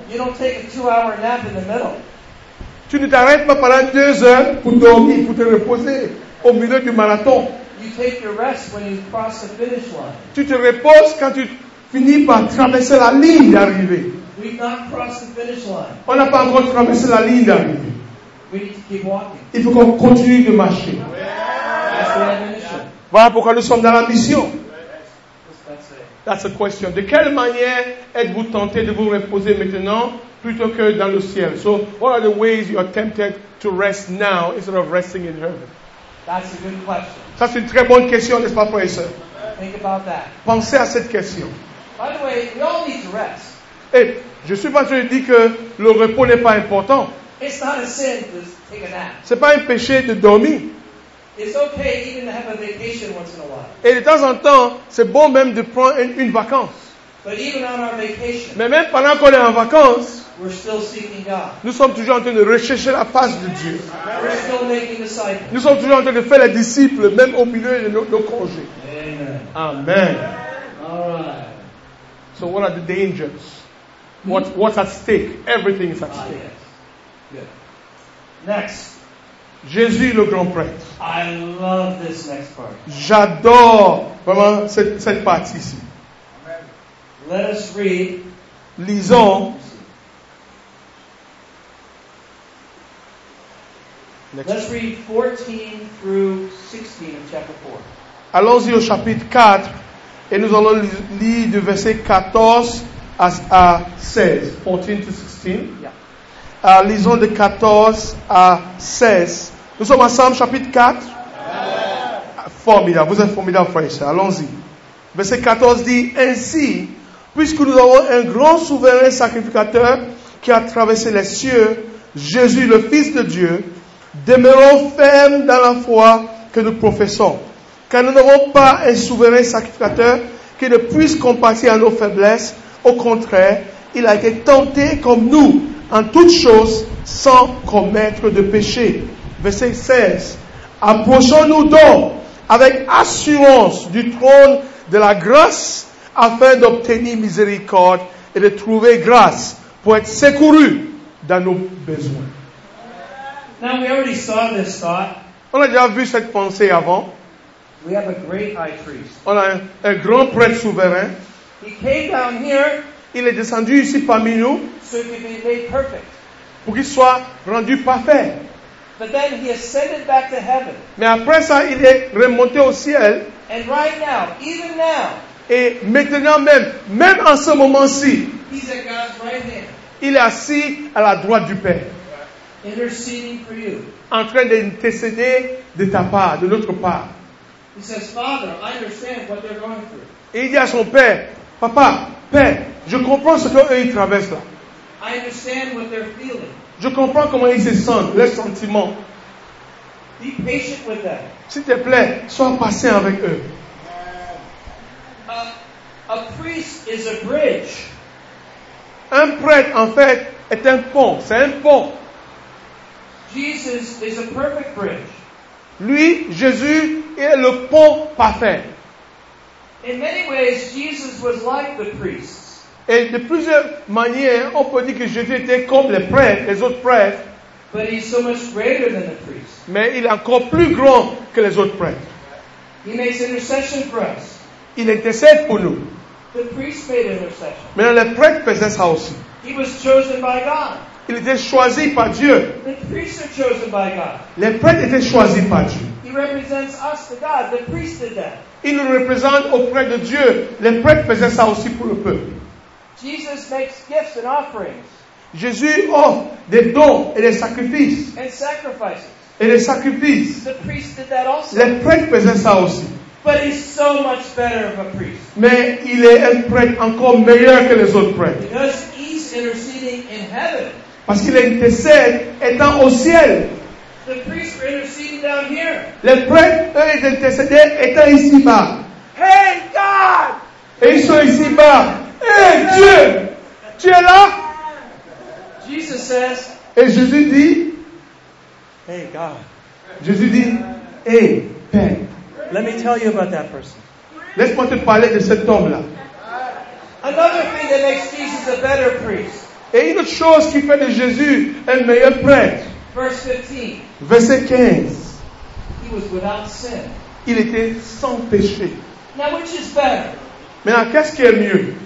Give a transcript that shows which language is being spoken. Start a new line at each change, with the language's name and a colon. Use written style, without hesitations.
English: you don't take a 2-hour nap in the middle.
French: Tu ne t'arrêtes pas pendant 2 heures pour dormir, pour te reposer au milieu du marathon.
English: You take your rest when you cross the finish line.
French: Tu te reposes quand tu finis par traverser la ligne d'arrivée.
English: We've not crossed the finish line.
French: On n'a pas encore traversé la ligne d'arrivée.
English: We need to keep walking.
French: Il faut qu'on continue de marcher.
English: Yeah. That's the admonition.
French: Voilà pourquoi nous sommes dans la mission.
English: That's a question.
French: De quelle manière êtes-vous tenté de vous reposer maintenant plutôt que dans le ciel?
English: So, what are the ways you are tempted to rest now instead of resting in heaven? That's a good question.
French: Ça, c'est une très bonne question, n'est-ce pas, frère et sœur?
English: Think about that.
French: Pensez à cette question.
English: By the way, we all need to rest.
French: Et je suis pas sûr de dire que le repos n'est pas important.
English: It's not a sin to take a nap.
French: C'est pas un péché de dormir.
English: It's okay even to have a vacation once in a while.
French: Et de temps en temps, c'est bon même de prendre une vacance.
English: But even on our vacation,
French: mais même pendant qu'on est en vacances,
English: we're still seeking God.
French: Nous sommes toujours en train de rechercher la face de Dieu.
English: We're still making disciples.
French: Nous sommes toujours en train de faire les disciples, même au milieu de nos congés.
English: Amen.
French: Amen.
English: All right. So what are the dangers? What's at stake? Everything is at stake. Yes. Next.
French: Jésus le grand prêtre.
English: I love this next part.
French: J'adore vraiment cette partie ici.
English: Let us read.
French: Lisons.
English: Next. Let's read 14 through 16 of chapter 4.
French: Allons-y au chapitre 4. Et nous allons lire du verset 14 à 16.
English: 14 to 16. Yeah.
French: Lisons de 14 à 16. Nous sommes ensemble, chapitre 4.
English: Yeah.
French: Formidable. Vous êtes formidable, frère. Allons-y. Verset 14 dit, ainsi, puisque nous avons un grand souverain sacrificateur qui a traversé les cieux, Jésus, le Fils de Dieu, demeurons fermes dans la foi que nous professons. Car nous n'avons pas un souverain sacrificateur qui ne puisse compatir à nos faiblesses. Au contraire, il a été tenté comme nous en toutes choses sans commettre de péché. Verset 16. Approchons-nous donc avec assurance du trône de la grâce afin d'obtenir miséricorde et de trouver grâce pour être secouru dans nos besoins.
English: Now we already saw this thought.
French: On a déjà vu cette pensée avant.
English: We have a great high priest.
French: On a un grand prêtre souverain.
English: He came down here.
French: Il est descendu ici parmi nous.
English: So he could be made perfect.
French: Pour qu'il soit rendu parfait.
English: But then he ascended back to heaven.
French: Mais après ça, il est remonté au ciel.
English: And right now, even now.
French: Et maintenant même en ce moment-ci.
English: He's at God's right hand.
French: Il est assis à la droite du Père.
English: Interceding for you.
French: En train d'intercéder de ta part, de notre part.
English: He says, Father, I understand what they're going through.
French: Et il dit à son père, Papa, Père, je comprends ce qu'eux ils traversent là.
English: I understand what they're feeling.
French: Je comprends comment ils se sentent, leurs sentiments.
English: Be patient with them.
French: S'il te plaît, sois patient avec eux.
English: A priest is a bridge.
French: Un prêtre, en fait, est un pont. C'est un pont.
English: Jesus is a perfect bridge.
French: Lui, Jésus, est le pont parfait.
English: In many ways, Jesus was like the priests.
French: Et de plusieurs manières, on peut dire que Jésus était comme les prêtres, les autres prêtres.
English: But he's so much greater than the priests.
French: Mais il est encore plus grand que les autres prêtres.
English: He makes intercession for us.
French: Il intercède pour nous.
English: The priests made intercession.
French: Mais les prêtres faisaient ça aussi.
English: He was chosen by God.
French: Il était choisi par Dieu.
English: The priests are chosen by God.
French: Les prêtres étaient choisis par Dieu.
English: He represents us to God. The priests did that.
French: Il nous représente auprès de Dieu. Les prêtres faisaient ça aussi pour le peuple.
English: Jesus makes gifts and offerings.
French: Jésus offre des dons et des sacrifices.
English: And sacrifices.
French: Et des sacrifices.
English: The priests did that also.
French: Les prêtres faisaient ça aussi.
English: But he's so much better of a priest.
French: Mais il est un prêtre encore meilleur que les autres prêtres.
English: Because he's interceding in heaven.
French: Parce qu'il intercède étant au ciel.
English: The priests were interceding down here.
French: Les prêtres, eux, ils intercédaient étant ici-bas.
English: Hey, God!
French: Et ils sont ici-bas. Hey, Dieu! Tu es là?
English: Jesus says,
French: et Jésus dit,
English: hey, God.
French: Jésus dit, hey, Père.
English: Let me tell you about that person.
French: Laisse-moi te parler de cet homme-là.
English: Another thing that makes Jesus a better priest.
French: Et une autre chose qui fait de Jésus un meilleur prêtre.
English: Verse 15.
French: Verset 15.
English: He was without sin.
French: Il était sans péché.
English: Now which is better?
French: Maintenant, qu'est-ce qui est mieux?